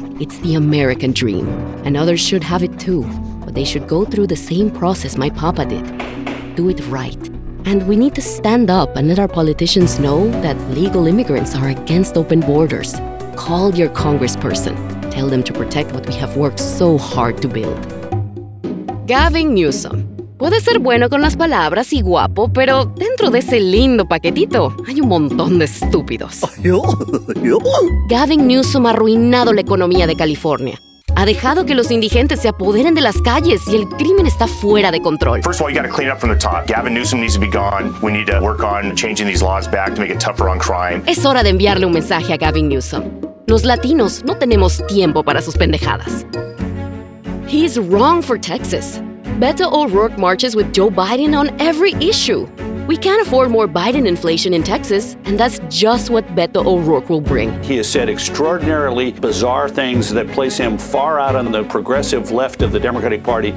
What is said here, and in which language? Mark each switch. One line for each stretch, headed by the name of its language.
English: It's the American dream. And others should have it too. But they should go through the same process my papa did. Do it right. And we need to stand up and let our politicians know that legal immigrants are against open borders. Call your congressperson. Tell them to protect what we have worked so hard to build. Gavin Newsom.
Spanish: Puede ser bueno con las palabras y guapo, pero dentro de ese lindo paquetito hay un montón de estúpidos. Gavin Newsom ha arruinado la economía de California. Ha dejado que los indigentes se apoderen de las calles y el crimen está fuera de control.
English: First of all, you gotta clean up from the top. Gavin Newsom needs to be gone. We need to work on changing these laws back to make it tougher on crime.
Spanish: Es hora de enviarle un mensaje a Gavin Newsom. Los latinos no tenemos tiempo para sus pendejadas.
English: He's wrong for Texas. Beto O'Rourke marches with Joe Biden on every issue. We can't afford more Biden inflation in Texas, and that's just what Beto O'Rourke will bring. He has said extraordinarily bizarre things that place him far out on the progressive left of the Democratic Party.